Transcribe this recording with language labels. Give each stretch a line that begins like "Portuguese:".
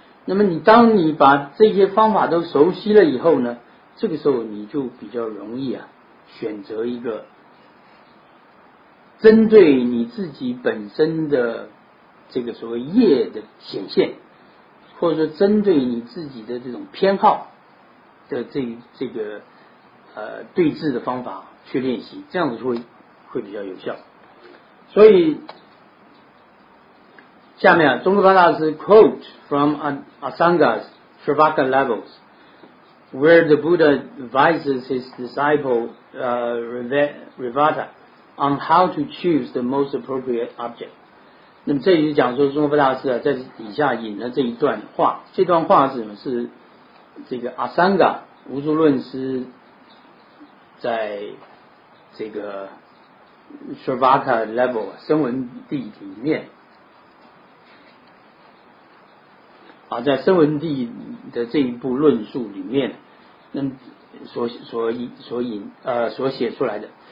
Chinese: 那么你当你把这些方法都熟悉了以后呢，这个时候你就比较容易啊选择一个针对你自己本身的这个所谓业的显现，或者说针对你自己的这种偏好的这个对治的方法去练习，这样子会比较有效。所以下面啊，
English: 宗喀巴大师 quote from Asanga's Shravaka levels where the Buddha advises his disciple Rivata on how to choose the most appropriate object.
Chinese: 那么这里就讲说宗喀巴大师啊，在底下引了这一段话。这段话是什么？是这个阿桑嘎无著论师在这个 Shravaka level 声闻地里面，啊，在声闻地的这一部论述里面，那么所写出来的。